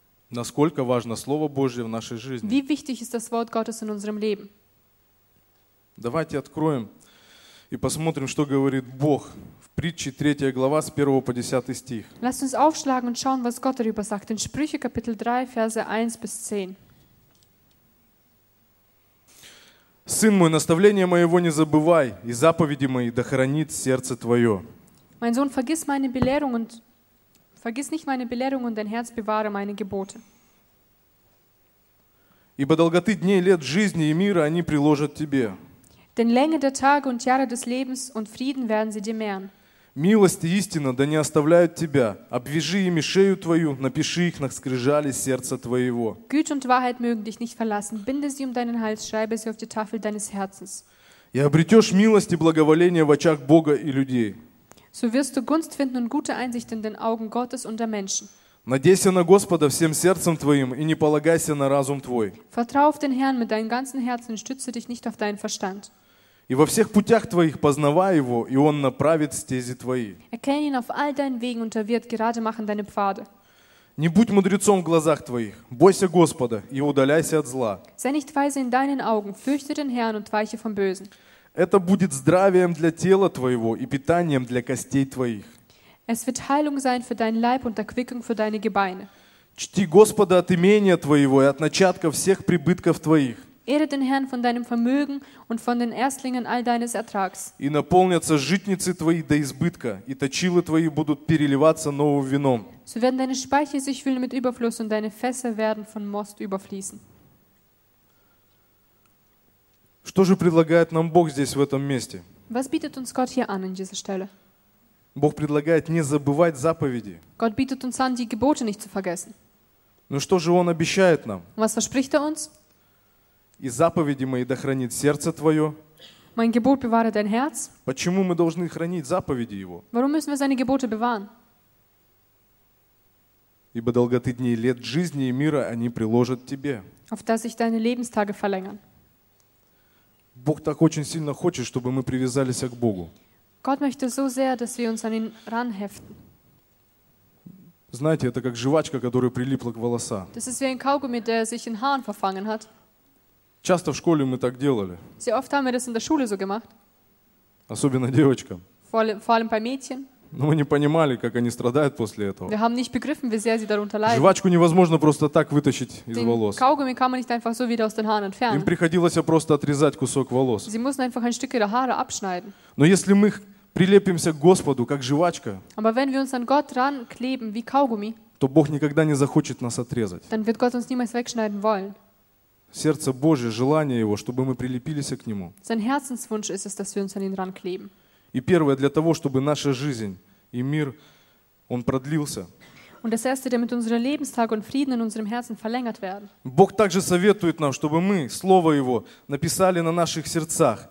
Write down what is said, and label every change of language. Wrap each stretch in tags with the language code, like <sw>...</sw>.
<ru>Насколько важно Слово Божие в нашей жизни.</ru> <de>Wie wichtig ist das Wort Gottes in unserem Leben?</de> <ru>Давайте откроем. И посмотрим, что говорит Бог в притче 3 глава с 1 по 10 стих.</ru> <de>Lass uns aufschlagen und schauen, was Gott darüber sagt. In Sprüche Kapitel 3, Verse 1 bis 10.</de> <ru>Сын мой, наставление моего не забывай, и заповеди мои да хранит сердце твое.</ru> <de>Mein Sohn, vergiss nicht meine Belehrung und dein Herz bewahre meine Gebote.</de> <ru>Ибо долготы дней лет жизни и мира они приложат тебе.</ru> <de>Denn Länge der Tage und Jahre des Lebens und Frieden werden sie dir mehren.</de> <ru>Милость и истина да не оставляют тебя. Обвяжи ими шею твою, напиши их на скрижали сердца твоего.</ru> <de>Güte und Wahrheit mögen dich nicht verlassen. Binde sie um deinen Hals, schreibe sie auf die Tafel deines Herzens.</de> <ru>И обретешь милость и благоволение в очах Бога и людей.</ru> <de>So wirst du Gunst finden und gute Einsicht in den Augen Gottes und der Menschen.</de> <ru>Надейся на Господа всем сердцем твоим и не полагайся на разум твой.</ru> <de>Vertrau auf den Herrn mit deinem ganzen Herzen, stütze dich nicht auf deinen Verstand.</de> <ru>И во всех путях твоих познавай его, и он направит стези твои.</ru> <de>Erkenne ihn auf all deinen Wegen und er wird gerade machen deine Pfade.</de> <ru>Не будь мудрецом в глазах твоих, бойся Господа и удаляйся от зла.</ru> <de>Sei nicht weise in deinen Augen, fürchte den Herrn und weiche vom Bösen.</de> <ru>Это будет здравием для тела твоего и питанием для костей твоих.</ru> <de>Es wird Heilung sein für deinen Leib und Erquickung für deine Gebeine.</de> <ru>Чти Господа от имения твоего и от начатка всех прибытков твоих.</ru> <de>Ehre den Herrn von deinem Vermögen und von den Erstlingen all deines Ertrags.</de> <ru>И наполнятся житницы твои до избытка, и точилы твои будут переливаться новым вином.</ru> <de>So werden deine Speicher sich füllen mit Überfluss und deine Fässer werden von Most überfließen.</de> <ru>Что же предлагает нам Бог здесь в этом месте?</ru> <de>Was bietet uns Gott hier an in dieser Stelle?</de> <ru>Бог предлагает не забывать заповеди.</ru> <de>Gott bietet uns an, die Gebote nicht zu vergessen.</de> <ru>Ну что же Он обещает нам?</ru> <de>Was verspricht er uns?</de> <ru>И заповеди мои да хранит сердце твое.</ru> <de>Mein Gebot bewahre dein Herz.</de> <ru>Почему мы должны хранить заповеди Его?</ru> <de>Warum müssen wir seine Gebote bewahren?</de> <ru>Ибо долготы дней лет жизни и мира они приложат тебе.</ru> <de>Auf dass sich deine Lebenstage verlängern.</de> <ru>Бог так очень сильно хочет, чтобы мы привязались к Богу.</ru> <de>Gott möchte so sehr, dass wir uns an ihn ranheften.</de> <ru>Знаете, это как жвачка, которая прилипла к волосам.</ru> <de>Das ist wie ein Kaugummi, der sich in Haaren verfangen hat.</de> <ru>Часто в школе мы так делали.</ru> <de>Sehr oft haben wir das in der Schule so gemacht.</de> <ru>Особенно девочкам.</ru> <de>Vor allem bei Mädchen.</de> <ru>Но мы не понимали, как они страдают после этого.</ru> <de>Wir haben nicht begriffen, wie sehr sie darunter leiden.</de> <ru>Жвачку невозможно просто так вытащить</ru> <de>den</de> <ru>из волос.</ru> <de>Kaugummi kann man nicht einfach so wieder aus den Haaren entfernen.</de> <ru>Им приходилось просто отрезать кусок волос.</ru> <de>Sie mussten einfach ein Stück ihrer Haare abschneiden.</de> <ru>Но если мы прилепимся к Господу, как жвачка.</ru> <de>Aber wenn wir uns an Gott rankleben, wie Kaugummi,</de> <ru>то Бог никогда не захочет нас отрезать.</ru> <de>Dann wird Gott uns niemals wegschneiden wollen.</de> <ru>Сердце Божье, желание Его, чтобы мы прилепились к Нему.</ru> <de>Sein Herzenswunsch ist es, dass wir uns an ihn rankleben.</de> <ru>И первое, для того, чтобы наша жизнь и мир, он продлился.</ru> <de>Und das Erste, damit unsere Lebenstage und Frieden in unserem Herzen verlängert werden.</de> <ru>Бог также советует нам, чтобы мы Слово Его написали на наших сердцах.</ru>